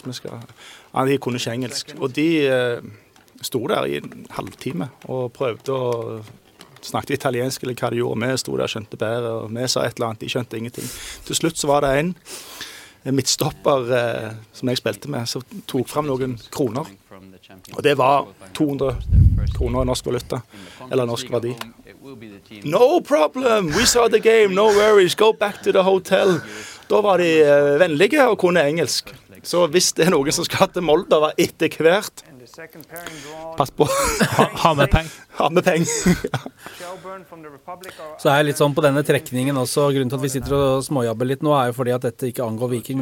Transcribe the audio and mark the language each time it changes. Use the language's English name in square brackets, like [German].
[Norwegian] De kunne ikke engelsk. Og de stod der i en halvtime og prøvde å snakket italiensk eller hva de gjorde med, stod der og skjønte bedre, og vi sa et eller annet, de skjønte ingenting. Til slutt så var det en midtstopper som jeg spilte med, som tok frem noen kroner, og det var 200 kroner i norsk valuta, eller norsk verdi. [English] No problem, we saw the game, no worries, go back to the hotel. [Norwegian] Da var de vennlige og kunne engelsk. Så hvis det noen som skal til Moldova etter hvert, pass på. Ha med peng. Så er jeg litt sånn på denne trekningen også. Grunnen til at vi sitter og småjabber litt nå er jo fordi at dette ikke angår Viking.